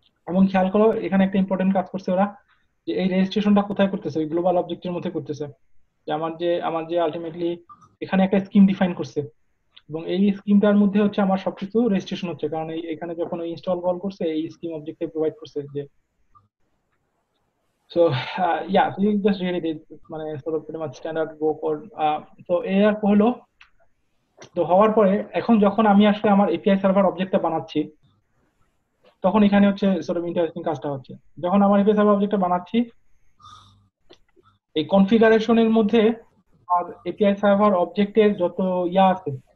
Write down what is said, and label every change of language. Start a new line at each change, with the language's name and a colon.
Bangla: এমন খেয়াল করো এখানে একটা ইম্পর্টেন্ট কাজ করছে ওরা যে এই রেজিস্ট্রেশনটা কোথায় করতেছে, ওই গ্লোবাল অবজেক্টের মধ্যে করতেছে, যে আমার যে আলটিমেটলি এখানে একটা স্কিম ডিফাইন করছে এবং এই স্কিমটার মধ্যে হচ্ছে আমার সবকিছু রেজিস্ট্রেশন হচ্ছে, কারণ এই এখানে যখন ইনস্টল কল করছে এই স্কিম অবজেক্টে প্রোভাইড করছে যে।
English: So, yeah, so you just read it, মানে sort of pretty much standard go code.
Bangla: So, এর পরে, তো হওয়ার পরে, এখন যখন আমি আসলে আমার API server objectটা বানাচ্ছি, তখন এখানে হচ্ছে
English: sort of interesting
Bangla: কাজটা হচ্ছে। যখন আমার API server objectটা বানাচ্ছি, এই configuration এর মধ্যে আর API server objectের যত আছে,